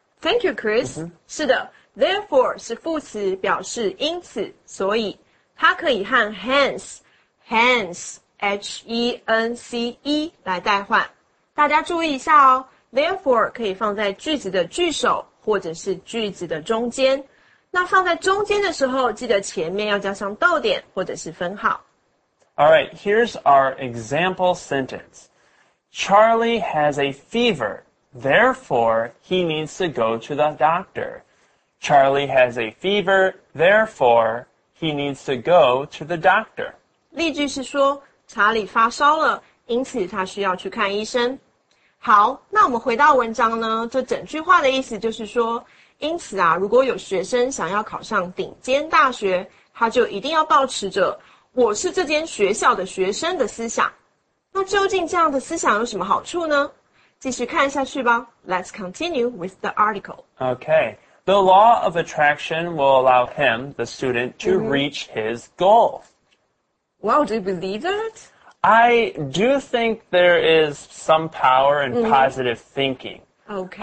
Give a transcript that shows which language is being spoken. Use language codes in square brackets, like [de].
[en] Thank you, Chris.、 [zh] Mm-hmm. 是的 therefore 是副词表示因此所以它可以和 hence,H-E-N-C-E 来代换大家注意一下哦 Therefore 可以放在句子的句首或者是句子的中间那放在中间的时候记得前面要加上逗点或者是分号 [en] Alright, here's our example sentence Charlie has a fever Therefore, he needs to go to the doctor Charlie has a fever Therefore, he needs to go to the doctor [zh] 例句是说查理发烧了，因此他需要去看医生。好，那我们回到文章呢，这整句话的意思就是说，因此啊，如果有学生想要考上顶尖大学，他就一定要抱持着我是这间学校的学生的思想。那究竟这样的思想有什么好处呢？继续看下去吧。 [en] Let's continue with the article. Okay, the law of attraction will allow him, the student, to reach his goal. Wow, do you believe that? I do think there is some power in positive thinking. Okay.